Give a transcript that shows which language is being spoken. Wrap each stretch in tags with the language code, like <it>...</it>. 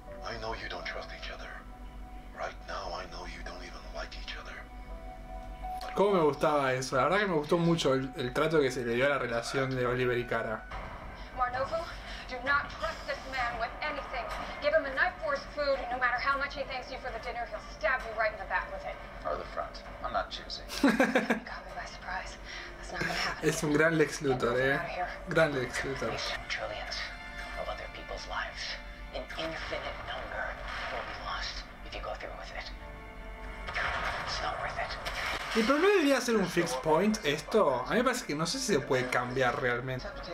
<en>I know you don't trust each other. Right now, I know you don't even like each other.</en> <es>Cómo me gustaba eso. La verdad que me gustó mucho el trato que se le dio a la relación de Oliver y Kara.</es> <en>Marnovo, do not trust this man with anything. Give him a knife for his food, and no matter how much he thanks you for the dinner, he'll stab you right in the back with it. Or the front. I'm not choosing. Caught me by surprise. That's not gonna happen.</en> <es>Es un gran Lex Luthor, eh. Gran Lex Luthor.</es> <en>Trillions of other people's lives. An infinite number will be lost if you go through with it. It's not worth it.</en> <es>¿Y pero no debería ser un fixed point esto? A mí me parece que no sé si se puede cambiar realmente.</es>